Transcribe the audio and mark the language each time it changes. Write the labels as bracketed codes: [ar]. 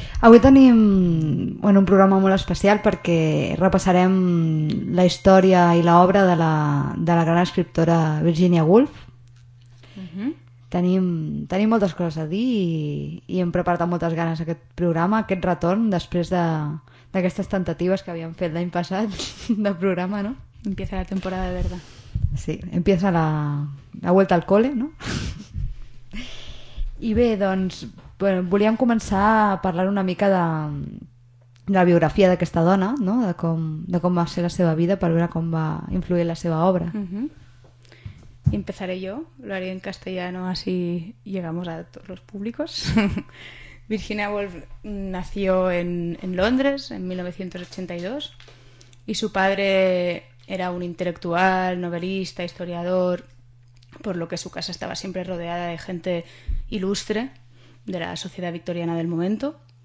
[ca] Avui tenim un programa molt especial perquè repassarem la història i l'obra de la gran escriptora Virginia Woolf. Tenim moltes coses a dir i hem preparat amb moltes ganes aquest programa, aquest retorn, després d'aquestes tentatives que havíem fet l'any passat de programa, no? [es] Empieza la temporada de verdad. Sí, empieza la vuelta al cole, no? [ca] I bé, doncs, volíem començar a parlar una mica de la biografia d'aquesta dona, no? De com va ser la seva vida, per veure com va influir la seva obra. [es] Y empezaré yo, lo haré en castellano, así llegamos a todos los públicos. Virginia Woolf nació en Londres en 1982 y su padre era un intelectual, novelista, historiador, por lo que su casa estaba siempre rodeada de gente ilustre de la sociedad victoriana del momento.